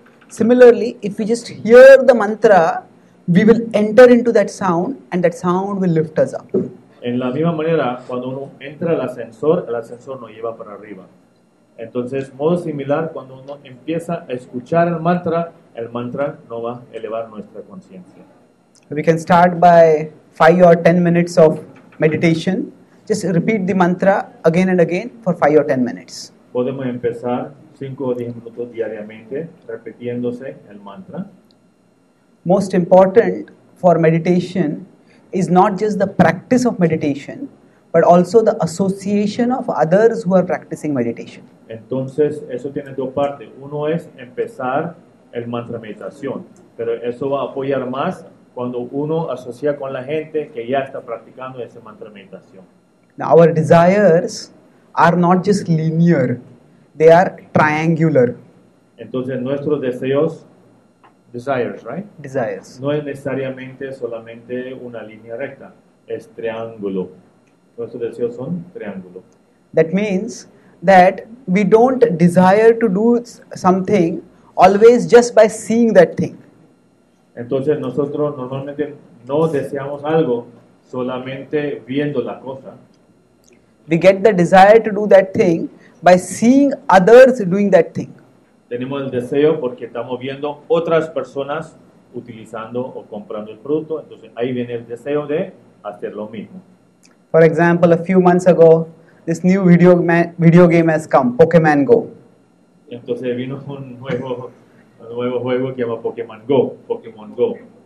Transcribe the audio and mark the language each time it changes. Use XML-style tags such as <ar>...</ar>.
<en>Similarly, if we just hear the mantra, we will enter into that sound and that sound will lift us up.</en> <es>En la misma manera, cuando uno entra el ascensor nos lleva para arriba. Entonces, modo similar, cuando uno empieza a escuchar el mantra no va a elevar nuestra conciencia.</es> <en>We can start by 5 or 10 minutes of meditation. Just repeat the mantra again and again for 5 or 10 minutes.</en> <es>Podemos empezar 5 o 10 minutos diariamente repitiéndose el mantra.</es> <en>Most important for meditation is not just the practice of meditation, but also the association of others who are practicing meditation.</en> <es>Entonces, eso tiene dos partes. Uno es empezar el mantra meditación, pero eso va a apoyar más cuando uno asocia con la gente que ya está practicando ese mantra meditación.</es> <en>Now, our desires are not just linear, they are triangular.</en> <es>Entonces, nuestros deseos,</es> <en>desires, right? Desires.</en> <es>No es necesariamente solamente una línea recta, es triángulo. Nuestros deseos son triángulo.</es> <en>That means that we don't desire to do something always just by seeing that thing.</en> <es>Entonces, nosotros normalmente no deseamos algo solamente viendo la cosa.</es> <en>We get the desire to do that thing by seeing others doing that thing.</en> <es>Tenemos el deseo porque estamos viendo otras personas utilizando o comprando el producto. Entonces, ahí viene el deseo de hacer lo mismo.</es> <en>For example, a few months ago, this new video game has come, Pokemon Go.</en> <es>Entonces, vino un nuevo juego que se llama Pokemon Go.</es>